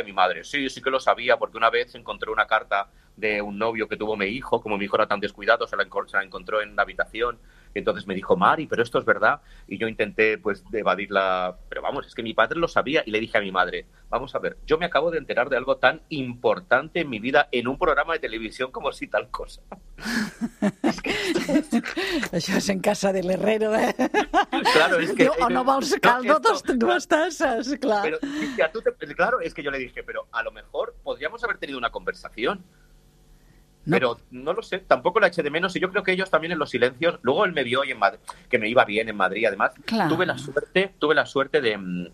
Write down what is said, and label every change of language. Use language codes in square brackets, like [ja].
[es] Y mi madre, sí, sí que lo sabía, porque una vez encontré una carta de un novio que tuvo mi hijo, como mi hijo era tan descuidado, se la encontró en la habitación. Y entonces me dijo, Mari, pero esto es verdad. Y yo intenté, pues, evadirla. Pero vamos, es que mi padre lo sabía. Y le dije a mi madre, vamos a ver, yo me acabo de enterar de algo tan importante en mi vida en un programa de televisión como si tal cosa. [ca] Això és [es] en casa de l'herrero, [ca] eh? [es] Claro, es que... [ca] O no vols caldo, dues tasses, clar. [es] Pero, tía, tú te... Claro, es que yo le dije, pero a lo mejor podríamos haber tenido una conversación. No. Pero no lo sé, tampoco la eché de menos. Y yo creo que ellos también en los silencios. Luego él me vio y en Madrid, que me iba bien en Madrid. Además, claro. tuve la suerte de...